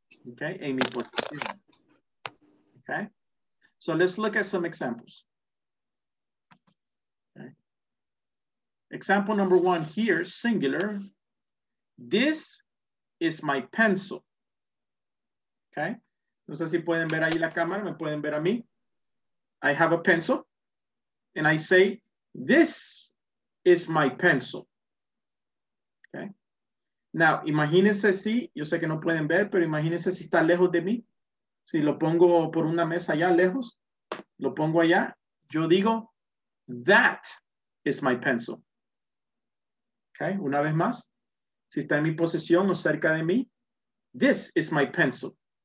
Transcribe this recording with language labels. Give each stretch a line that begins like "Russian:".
English: Okay, Amy. Okay, so let's look at some examples. Okay. Example number one here, singular. This is my pencil.
Spanish: Okay, no sé si pueden ver ahí la cámara, me pueden ver a mí.
English: I have a pencil, and I say, this is my pencil. Okay.
Spanish: Now, imagínense si, yo sé que no pueden ver, pero imagínense si está lejos de mí. Si lo pongo por una mesa allá lejos, lo pongo allá, yo digo,
English: that is my pencil.
Spanish: Okay, una vez más, si está en mi posesión o cerca de mí,
English: this is my pencil.